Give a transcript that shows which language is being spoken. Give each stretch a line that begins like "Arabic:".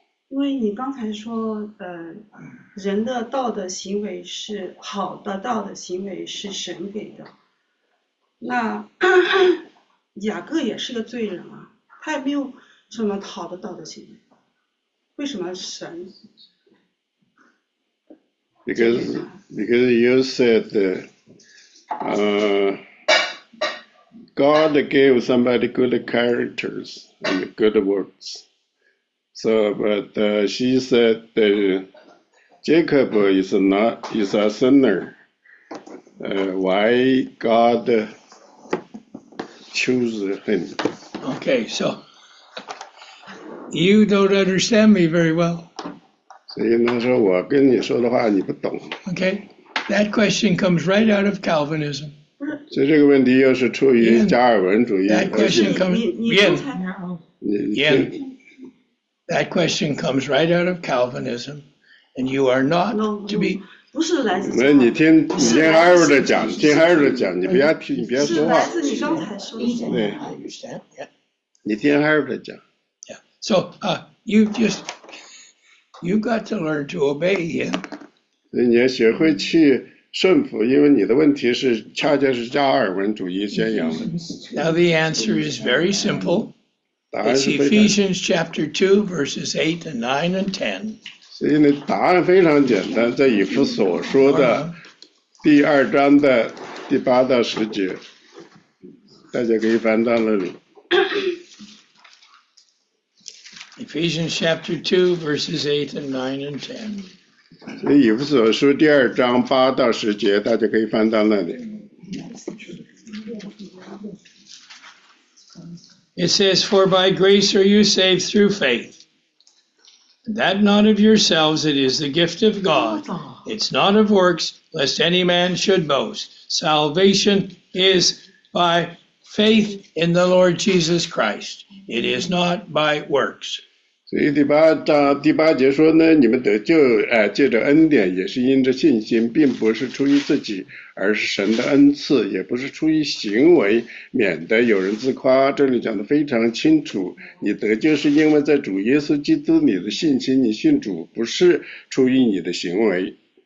Chinese: 因为你刚才说，人的道德行为是好的，道德行为是神给的。那雅各也是个罪人啊，他也没有什么好的道德行为，为什么神
English: Because you said God gave somebody good characters and good works. So, but she said that Jacob is a sinner. Why God choose him? Okay, so you don't understand me very well.
Chinese: 所以那时候我跟你说的话你不懂。
English: Okay, that question comes right out of Calvinism.
Chinese: 所以这个问题又是出于加尔文主义。
English: That question comes.
Chinese: 你
English: That question comes right out of Calvinism, and you are not to be.
Chinese: 不是来自。没，你听艾瑞的讲，听艾瑞的讲，你不要听，你不要说话。是来自你刚才说的。对。你听艾瑞的讲。
English: Yeah. So, you just. You've got to learn to obey him.
Chinese: 所以你要学会去顺服，因为你的问题是恰恰是加尔文主义宣扬的。
English: Now the answer is very simple. It's Ephesians chapter 2, verses 8 and 9 and 10.
Chinese: 所以呢，答案非常简单，在以弗所说的第二章的第八到十节，大家可以翻到那里。
English: Ephesians chapter 2, verses 8 and 9 and 10.
Chinese: 所以以弗所书第二章八到十节，大家可以翻到那里。
English: It says, For by grace are you saved through faith. That not of yourselves, it is the gift of God. It's not of works, lest any man should boast. Salvation is by faith in the Lord Jesus Christ. It is not by works.
Chinese: 所以第八节说呢，你们得救，借着恩典，也是因着信心，并不是出于自己，而是神的恩赐，也不是出于行为，免得有人自夸。这里讲得非常清楚，你得救是因为在主耶稣基督里的信心，你信主，不是出于你的行为。